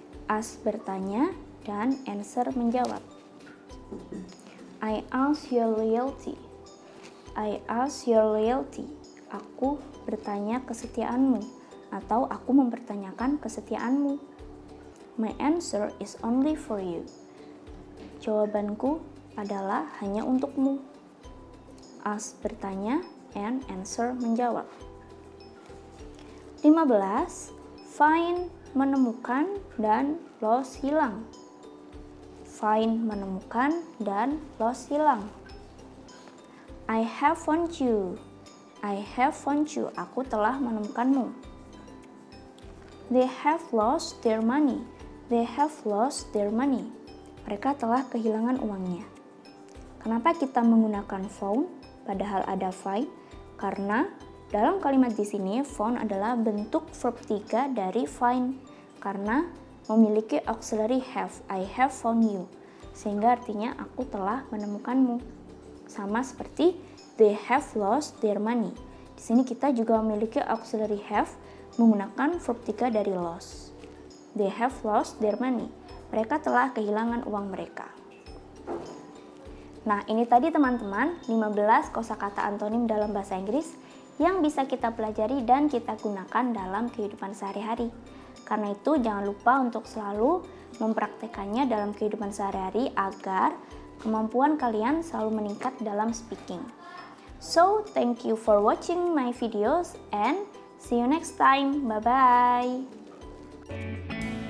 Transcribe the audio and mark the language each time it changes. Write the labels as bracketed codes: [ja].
[en] Ask, bertanya, dan answer, menjawab. I ask your loyalty. I ask your loyalty. [id] Aku bertanya kesetiaanmu, atau aku mempertanyakan kesetiaanmu. [en] My answer is only for you. [id] Jawabanku adalah hanya untukmu. [en] Ask, bertanya, and answer, menjawab. 15. [id] Find, menemukan, dan lost, hilang. [en] Find, menemukan, dan lost, hilang. I have found you. I have found you. [id] Aku telah menemukanmu. [en] They have lost their money. They have lost their money. [id] Mereka telah kehilangan uangnya. Kenapa kita menggunakan found padahal ada find? Karena dalam kalimat di sini found adalah bentuk verb 3 dari find, karena memiliki auxiliary have. [en] I have found you, [id] sehingga artinya aku telah menemukanmu. Sama seperti [en] they have lost their money. [id] Di sini kita juga memiliki auxiliary have menggunakan verb 3 dari lost. [en] They have lost their money. [id] Mereka telah kehilangan uang mereka. Nah, ini tadi teman-teman 15 kosakata antonim dalam bahasa Inggris yang bisa kita pelajari dan kita gunakan dalam kehidupan sehari-hari. Karena itu, jangan lupa untuk selalu mempraktikkannya dalam kehidupan sehari-hari agar kemampuan kalian selalu meningkat dalam speaking. [en] So, thank you for watching my videos and see you next time. Bye-bye!